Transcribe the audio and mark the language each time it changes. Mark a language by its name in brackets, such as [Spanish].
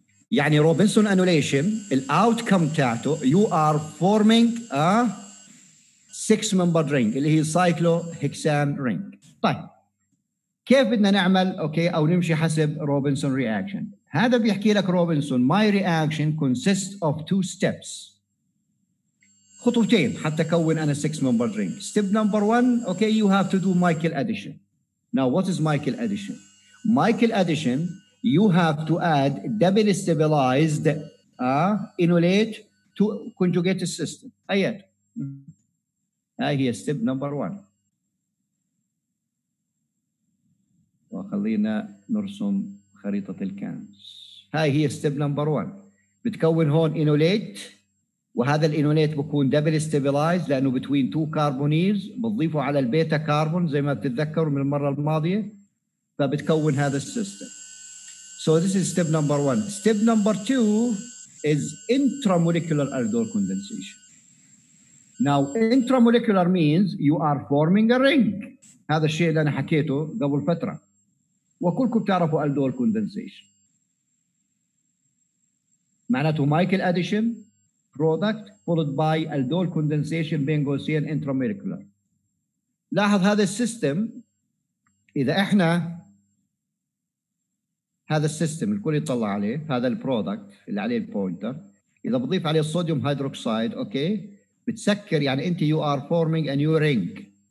[Arabic] يعني روبنسون [English] annulation [Arabic] الاوتكم تاعته [English] you are forming a 6 member ring [Arabic] اللي هي [English] cyclohexane ring. [Arabic] طيب كيف بدنا نعمل اوكي او نمشي حسب روبنسون reaction؟ هذا بيحكي لك روبنسون [English] my reaction consists of two steps. [Arabic] خطوتين حتى كون أنا [English] six member ring. Step number one, okay, you have to do Michael addition. Now what is Michael addition? Michael addition, you have to add double stabilized enolate to conjugate system. هي step number one. [Arabic] وخلينا نرسم خريطة الكنز. [English] هاي هي step number one. [Arabic] بتكون هون enolate وهذا الenolate بكون double stabilized لأنه [English] between two carbonyls [Arabic] بضيفه على البيتا كاربون زي ما بتتذكروا من المرة الماضية فبتكون هذا system. [English] So this is step number one. Step number two is intramolecular aldol condensation. Now intramolecular means you are forming a ring. [Arabic] هذا الشيء اللي أنا حكيته قبل فترة. وكلكم تعرفوا aldol condensation معناته [English] Michael addition product followed by aldol condensation [Arabic] بين قوسين intramolecular. لاحظ هذا السيستم إذا إحنا هذا السيستم الكل يطلع عليه هذا البرودكت اللي عليه البوينتر إذا بضيف عليه الصوديوم هيدروكسيد أوكي بتسكر يعني أنت [English] you are forming a new ring.